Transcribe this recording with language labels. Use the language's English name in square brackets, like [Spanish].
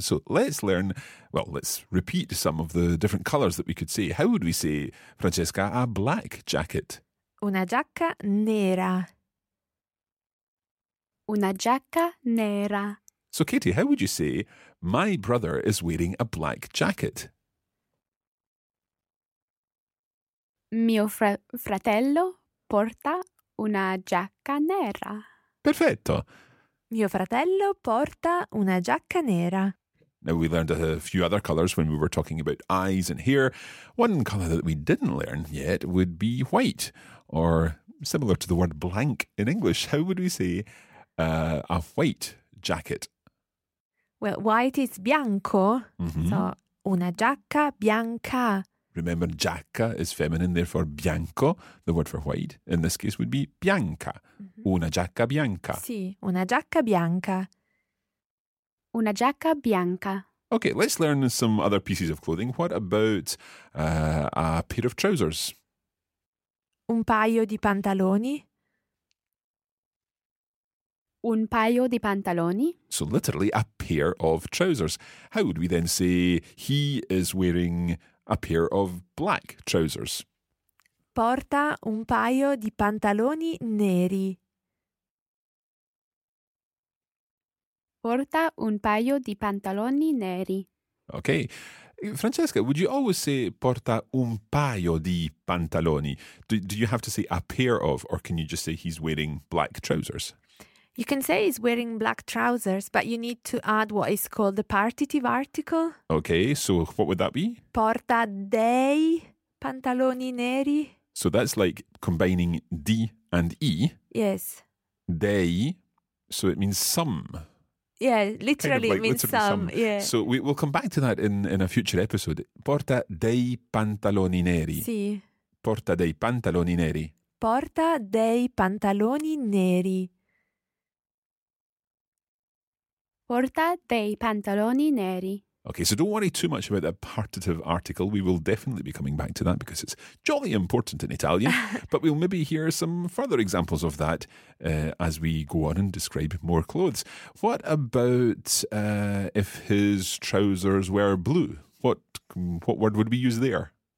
[English] So let's learn, well, let's repeat some of the different colours that we could say. How would we say, Francesca, a black jacket? [Italian] Una giacca nera. Una giacca nera. [English] So, Katie, how would you say, my brother is wearing a black jacket? [Italian] Mio fratello porta una giacca nera. Perfetto. Mio fratello porta una giacca nera. [English] Now, we learned a few other colours when we were talking about eyes and hair. One colour that we didn't learn yet would be white, or similar to the word blank in English. How would we say a white jacket? Well, white is bianco, mm-hmm. [Italian] So una giacca bianca. [English] Remember, giacca is feminine, therefore bianco, the word for white, in this case would be bianca. [Italian] Mm-hmm. Una giacca bianca. Sì, una giacca bianca. Una giacca bianca. [English] Okay, let's learn some other pieces of clothing. What about a pair of trousers? [Italian] Un paio di pantaloni. Un paio di pantaloni. [English] So literally a pair of trousers. How would we then say he is wearing a pair of black trousers? [Italian] Porta un paio di pantaloni neri. Porta un paio di pantaloni neri. [English] Okay. Francesca, would you always say [Italian] porta un paio di pantaloni? [English] Do you have to say a pair of, or can you just say he's wearing black trousers? You can say he's wearing black trousers, but you need to add what is called the partitive article. Okay, so what would that be? [Italian] Porta dei pantaloni neri. [English] So that's like combining D and E. Yes. Dei, so it means some. Yeah, literally kind of like it means literally some. Yeah. So we'll come back to that in a future episode. [Italian] Porta dei pantaloni neri. Sì. Porta dei pantaloni neri. Porta dei pantaloni neri. Porta dei pantaloni neri. [English] Okay, so don't worry too much about that partitive article. We will definitely be coming back to that because it's jolly important in Italian. But we'll maybe hear some further examples of that as we go on and describe more clothes. What about if his trousers were blue? What word would we use there?